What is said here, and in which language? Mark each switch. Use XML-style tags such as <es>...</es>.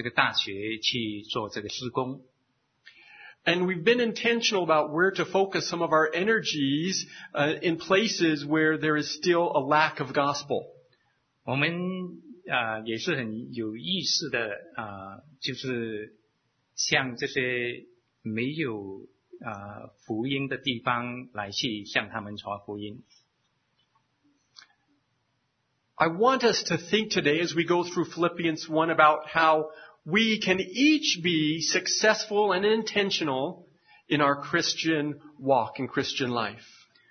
<zh>我们就是爱我们的邻舍，好像爱人如己一样。我们也就是到这个大学去做这个施工。</zh> <en>And we've been intentional about where to focus some of our energies in places where there is still a lack of gospel.</en> <zh>我们也是很有意识的，就是向这些没有福音的地方来去向他们传福音。</zh> <en>I want us to think today as we go through Philippians 1 about how we can each be successful and intentional in our Christian walk and Christian life.</en>